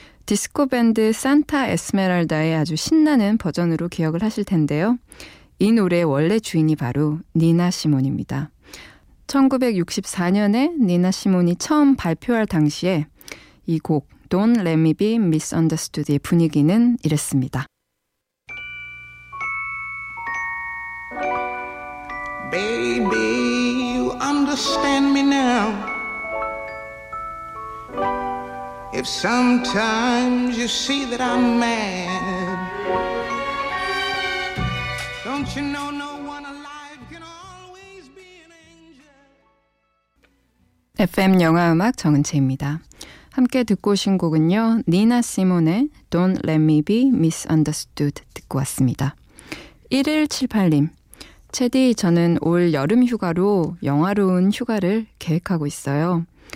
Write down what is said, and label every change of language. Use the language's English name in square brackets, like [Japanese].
[Korean] 디스코 밴드 산타 에스메랄다의 아주 신나는 버전으로 기억을 하실 텐데요. 이 노래의 원래 주인이 바로 니나 시몬입니다. 1964년에 니나 시몬이 처음 발표할 당시에 이 곡 Don't Let Me Be Misunderstood의 분위기는 이랬습니다. [English] Baby, you understand me now. If sometimes you see that I'm mad, don't you know no one alive can always be an angel? [Korean] FM 영화 음악 정은채입니다. 함께 듣고 오신 곡은요, 니나 시몬의 Don't Let Me Be Misunderstood 듣고 왔습니다. 1178님. 채디, 저는 올 여름 휴가로 영화로운 휴가를 계획하고 있어요.